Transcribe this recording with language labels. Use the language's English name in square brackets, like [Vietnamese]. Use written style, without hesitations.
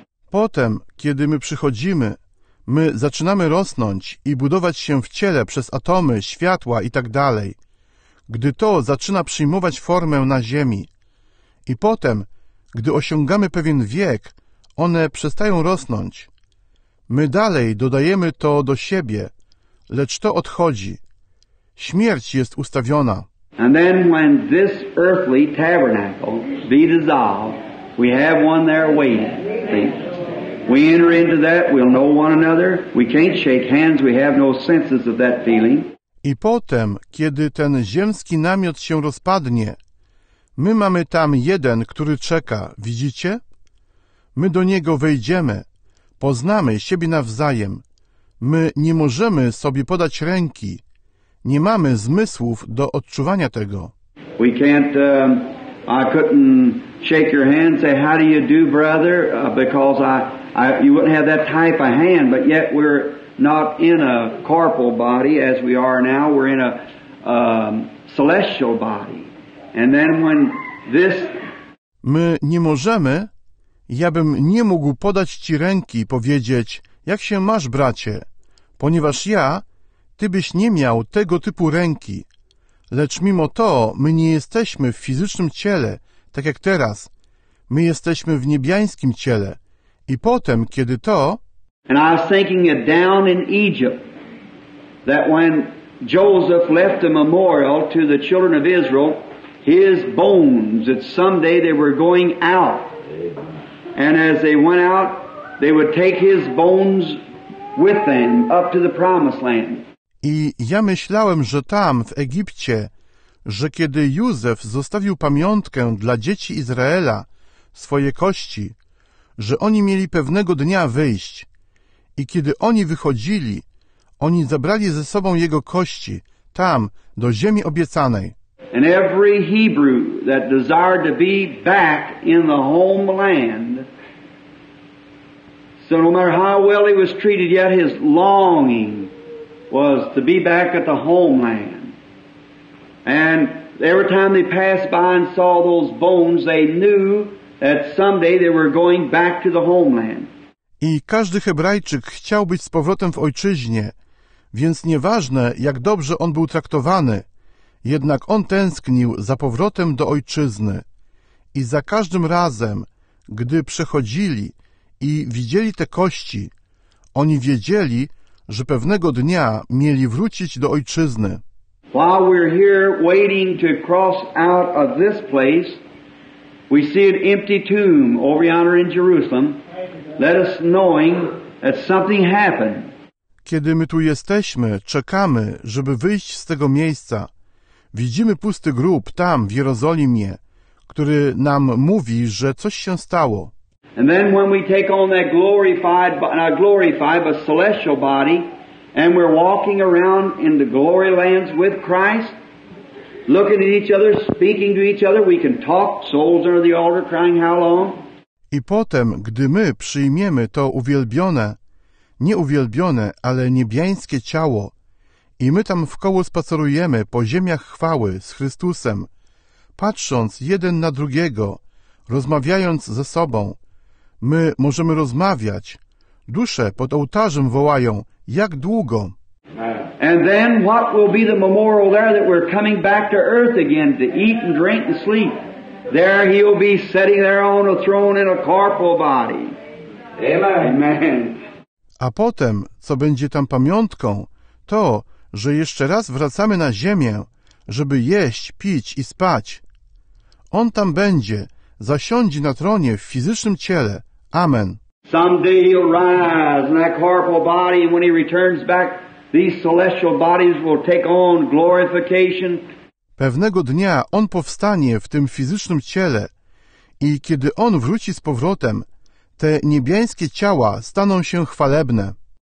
[Polish] Potem, kiedy my przychodzimy, my zaczynamy rosnąć i budować się w ciele przez atomy, światła i tak dalej. Gdy to zaczyna przyjmować formę na ziemi. I potem, gdy osiągamy pewien wiek, one przestają rosnąć. My dalej dodajemy to do siebie, lecz to odchodzi. Śmierć jest ustawiona. [English] And then when this earthly tabernacle be dissolved, we have one there waiting. See? We enter into that, we'll know one another. We can't shake hands, we have no senses of that feeling. [Polish] I potem, kiedy ten ziemski namiot się rozpadnie, my mamy tam jeden, który czeka, widzicie? My do niego wejdziemy, poznamy siebie nawzajem. My nie możemy sobie podać ręki. Nie mamy zmysłów do odczuwania tego. [English] We can't, I couldn't shake your hand and say, how do you do, brother? Because you wouldn't have that type of hand, but yet we're not in a corporal body as we are now, we're in a celestial body. And then when this... [Polish] My nie możemy, ja bym nie mógł podać ci ręki i powiedzieć, jak się masz, bracie, ponieważ ja, ty byś nie miał tego typu ręki. Lecz mimo to, my nie jesteśmy w fizycznym ciele, tak jak teraz. My jesteśmy w niebiańskim ciele. I potem, kiedy to... [English] And I was thinking it down in Egypt, that when Joseph left a memorial to the children of Israel, his bones, that someday they were going out. And as they went out, they would take his bones with them up to the promised land. [Polish] I ja myślałem, że tam, w Egipcie, że kiedy Józef zostawił pamiątkę dla dzieci Izraela, swoje kości, że oni mieli pewnego dnia wyjść. I kiedy oni wychodzili, oni zabrali ze sobą jego kości, tam, do ziemi obiecanej. [English] And every Hebrew that desired to be back in the homeland, so no matter how well he was treated, yet his longing was to be back at the homeland. And every time they passed by and saw those bones, they knew that someday they were going back to the homeland. [Polish] I każdy Hebrajczyk chciał być z powrotem w ojczyźnie, więc nieważne, jak dobrze on był traktowany, jednak on tęsknił za powrotem do ojczyzny. I za każdym razem, gdy przechodzili i widzieli te kości, oni wiedzieli, że pewnego dnia mieli wrócić do ojczyzny. [English] While we're here waiting to cross out of this place, we see an empty tomb over yonder in Jerusalem. Let us knowing that something happened. [Polish] Kiedy my tu jesteśmy, czekamy, żeby wyjść z tego miejsca. Widzimy pusty grób tam w Jerozolimie, który nam mówi, że coś się stało. [English] And then when we take on that glorified, not glorified, but celestial body, and we're walking around in the glory lands with Christ, looking at each other, speaking to each other, we can talk, souls under the altar crying how long? [Polish] I potem, gdy my przyjmiemy to uwielbione, nie uwielbione, ale niebiańskie ciało, i my tam wkoło spacerujemy po ziemiach chwały z Chrystusem, patrząc jeden na drugiego, rozmawiając ze sobą, my możemy rozmawiać. Dusze pod ołtarzem wołają, jak długo? [English] And then what will be the memorial there that we're coming back to earth again to eat and drink and sleep? There he'll be sitting there on a throne in a corporal body. Amen. [Polish] A potem, co będzie tam pamiątką, to, że jeszcze raz wracamy na ziemię, żeby jeść, pić i spać. On tam będzie, zasiądzie na tronie w fizycznym ciele. Amen. [English] Someday he'll rise in that corporal body, and when he returns back, these celestial bodies will take on glorification. [Polish] Pewnego dnia on powstanie w tym fizycznym ciele i kiedy on wróci z powrotem, te niebiańskie ciała staną się chwalebne.